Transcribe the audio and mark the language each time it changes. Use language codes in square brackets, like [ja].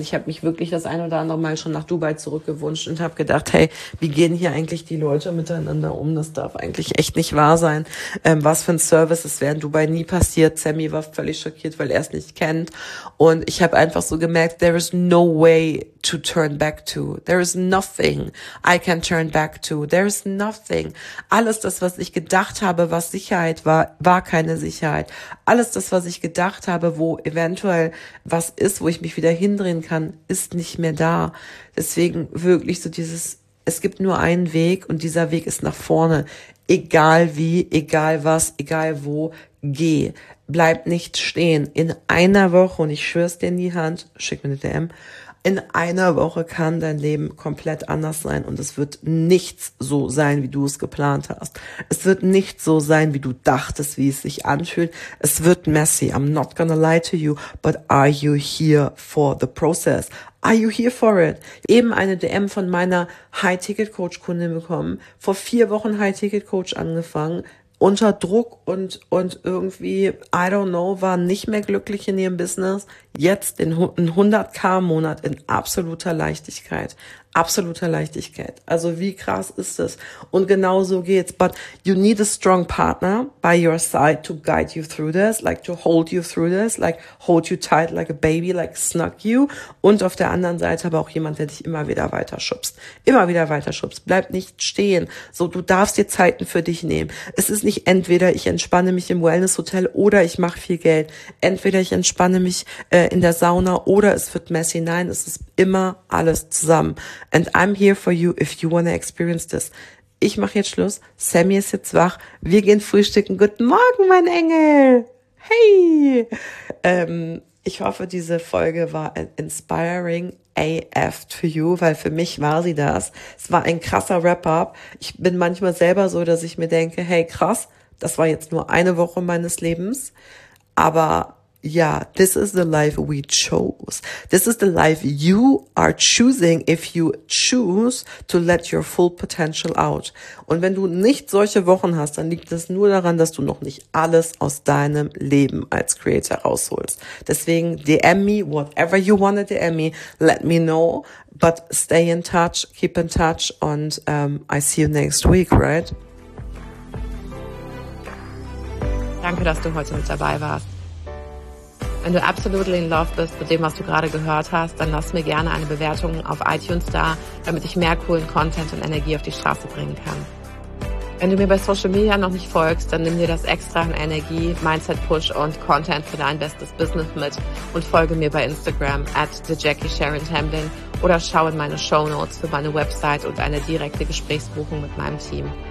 [de] Ich habe mich wirklich das ein oder andere Mal schon nach Dubai zurückgewünscht und habe gedacht, hey, wie gehen hier eigentlich die Leute miteinander um? Das darf eigentlich echt nicht wahr sein. Was für ein Service, das wäre in Dubai nie passiert. Sammy war völlig schockiert, weil er es nicht kennt. Und ich habe einfach so gemerkt, [en] there is no way to turn back to. There is nothing I can turn back to. There is nothing. [de] Alles das, was ich gedacht habe, was Sicherheit war, war keine Sicherheit. Alles das, was ich gedacht habe, wo eventuell was ist, wo ich mich wieder hindrehen kann, ist nicht mehr da. Deswegen wirklich so dieses, es gibt nur einen Weg und dieser Weg ist nach vorne. Egal wie, egal was, egal wo, geh. Bleib nicht stehen. In einer Woche, und ich schwör's dir in die Hand, schick mir eine DM, in einer Woche kann dein Leben komplett anders sein und es wird nichts so sein, wie du es geplant hast. Es wird nicht so sein, wie du dachtest, wie es sich anfühlt. Es wird messy. [en] I'm not gonna lie to you, but are you here for the process? Are you here for it? [de] Eben eine DM von meiner High-Ticket-Coach-Kundin bekommen. Vor 4 Wochen High-Ticket-Coach angefangen. Unter Druck und irgendwie, [en] I don't know, [de] war nicht mehr glücklich in ihrem Business. Jetzt in 100K-Monat in absoluter Leichtigkeit. Absoluter Leichtigkeit. Also wie krass ist das? Und genau so geht's. [en] But you need a strong partner by your side to guide you through this, like to hold you through this, like hold you tight like a baby, like snug you. [de] Und auf der anderen Seite aber auch jemand, der dich immer wieder weiterschubst. Immer wieder weiterschubst. Bleib nicht stehen. So, du darfst dir Zeiten für dich nehmen. Es ist nicht entweder ich entspanne mich im Wellness-Hotel oder ich mache viel Geld. Entweder ich entspanne mich in der Sauna oder es wird messy. Nein, es ist immer alles zusammen. [en] And I'm here for you if you wanna experience this. [de] Ich mache jetzt Schluss. Sammy ist jetzt wach. Wir gehen frühstücken. Guten Morgen, mein Engel. Hey. Ich hoffe, diese Folge war [en] inspiring AF to you, [de] weil für mich war sie das. Es war ein krasser Wrap-up. Ich bin manchmal selber so, dass ich mir denke, hey, krass, das war jetzt nur eine Woche meines Lebens. Aber ja, [en] this is the life we chose. This is the life you are choosing if you choose to let your full potential out. [de] Und wenn du nicht solche Wochen hast, dann liegt es nur daran, dass du noch nicht alles aus deinem Leben als Creator rausholst. Deswegen [en] DM me, whatever you want to DM me, let me know. But stay in touch, keep in touch and I see you next week, right? [de] Danke, dass du heute mit dabei warst. Wenn du absolut in love bist mit dem, was du gerade gehört hast, dann lass mir gerne eine Bewertung auf iTunes da, damit ich mehr coolen Content und Energie auf die Straße bringen kann. Wenn du mir bei Social Media noch nicht folgst, dann nimm dir das extra an Energie, Mindset-Push und Content für dein bestes Business mit und folge mir bei Instagram @thejackiesharontamblyn oder schau in meine Shownotes für meine Website und eine direkte Gesprächsbuchung mit meinem Team.